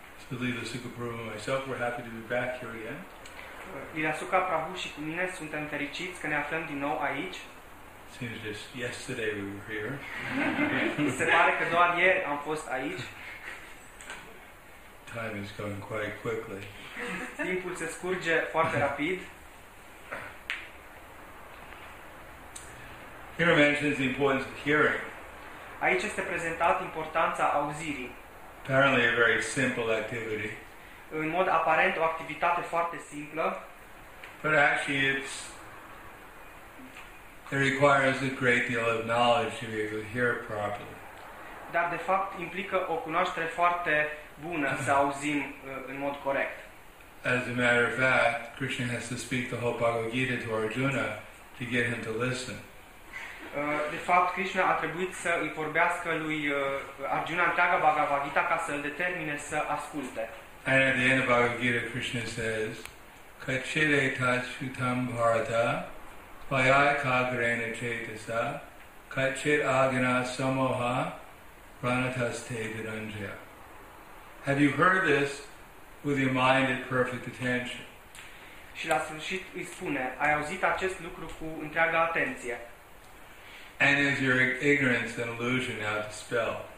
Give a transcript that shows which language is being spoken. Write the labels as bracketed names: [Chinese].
[English] Believe the Sukaprabhu and myself, we're happy to be back here again. [Romanian] Ilasuka Prabhu și cu mine suntem fericiți că ne aflăm din nou aici. [English] Seems just yesterday we were here. [Romanian] Se pare că doar ieri am fost aici. [English] Time is going quite quickly. [Romanian] Timpul se scurge foarte rapid. [English] Here mentions the importance of hearing. [Romanian] Aici este prezentat importanța auzirii. [English] Apparently a very simple activity. [Romanian] În mod aparent o activitate foarte simplă. [English] But actually it requires a great deal of knowledge to be able to hear properly. [Romanian] Dar de fapt implică o cunoaștere foarte bună să auzim în mod corect. [English] As a matter of fact, Krishna has to speak the whole Bhagavad Gita to Arjuna to get him to listen. [Romanian] De fapt, Krishna a trebuit să îi vorbească lui Arjuna întreaga Bhagavad Gita ca să îl determine să asculte. [English] And at the end of Bhagavad Gita, Krishna says, [Sanskrit] Kachire tachutam bharata, vayai kagrena chetasa, kachit agana samoha, pranatas te vidanjaya. [English] Have you heard this with your mind at perfect attention? [Romanian] Și la sfârșit îi spune, ai auzit acest lucru cu întreaga atenție. [English] And is your ignorance and illusion now dispelled?